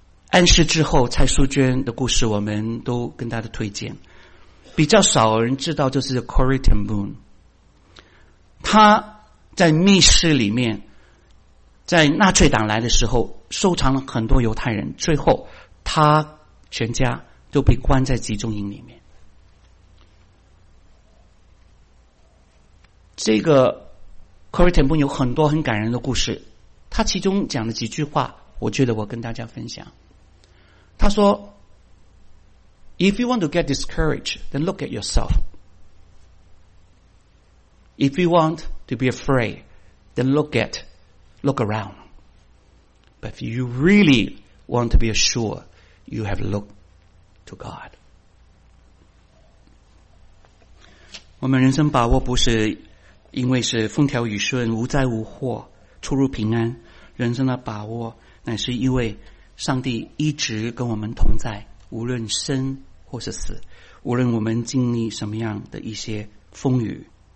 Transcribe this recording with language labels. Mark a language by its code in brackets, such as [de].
[zh] 安息之后，蔡淑娟的故事我们都跟大家推荐，比较少人知道，就是 Corrie ten Boom， 他在密室里面，在纳粹党来的时候收藏了很多犹太人，最后他全家都被关在集中营里面。这个 Corrie ten Boom 有很多很感人的故事，他其中讲了几句话，我觉得我跟大家分享。 [en] 他说 If you want to get discouraged, then look at yourself. If you want to be afraid, then look around. But if you really want to be assured, you have looked to God. [zh] 我们人生把握不是因为是风调雨顺、无灾无祸、出入平安，人生的把握乃是因为上帝一直跟我们同在，无论生或是死，无论我们经历什么样的一些风雨。